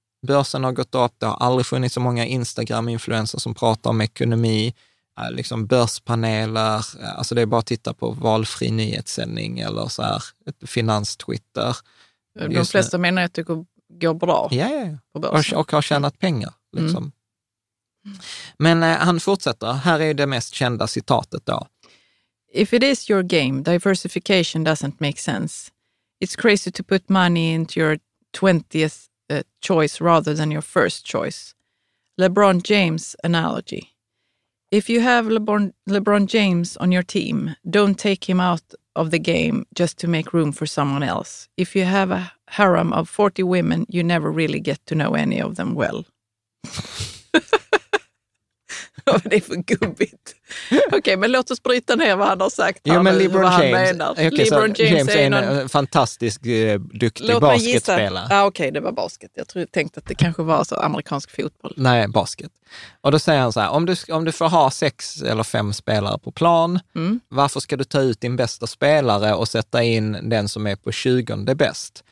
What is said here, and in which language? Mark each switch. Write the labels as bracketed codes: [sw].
[sv] Börsen har gått upp, det har aldrig funnits så många Instagram-influencer som pratar om ekonomi, liksom börspaneler, alltså det är bara att titta på valfri nyhetssändning eller så här, finanstwitter. De flesta nu menar att det går bra på börsen. Och har tjänat pengar. Liksom. Mm. Men han fortsätter, här är det mest kända citatet då. [en] If it is your game, diversification doesn't make sense. It's crazy to put money into your 20th choice rather than your first choice. LeBron James analogy. If you have LeBron James on your team, don't take him out of the game just to make room for someone else. If you have a harem of 40 women, you never really get to know any of them well. [sv] Vad är det för gubbigt? Okej, men låt oss bryta ner vad han har sagt. Jo, han, men LeBron James. Okay, LeBron James är en fantastisk, duktig basketspelare. Ah, okej, det var basket. Jag tänkte att det kanske var så amerikansk fotboll. Nej, basket. Och då säger han så här, om du får ha 6 eller 5 spelare på plan, varför ska du ta ut din bästa spelare och sätta in den som är på 20:e bäst?